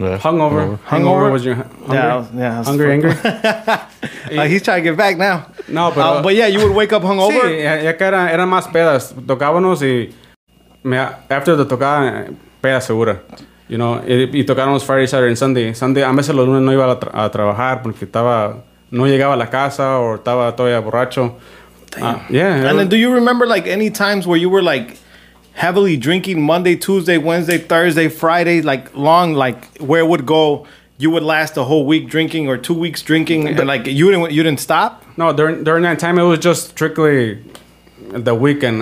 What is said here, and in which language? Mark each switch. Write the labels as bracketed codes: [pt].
[en] Yeah. Hungover. Hungover was your hunger? Yeah, hungry, angry? he's trying to get back now. [es] No, pero... [en] But yeah, you would wake up hungover? [es] Sí, era más pedas. Tocábamos y... [en] After the tocada, [es] pedas segura. [en] You know, [es] y tocábamos [en] Friday, Saturday, and Sunday. [es] Sunday, a veces los lunes no iba a trabajar porque estaba... No llegaba a la casa o estaba todavía borracho. [en] Yeah, and then do you remember like any times where you were like heavily drinking Monday, Tuesday, Wednesday, Thursday, Friday, like long, like where it would go, you would last a whole week drinking or 2 weeks drinking, and like you didn't stop? No, during that time it was just strictly the weekend.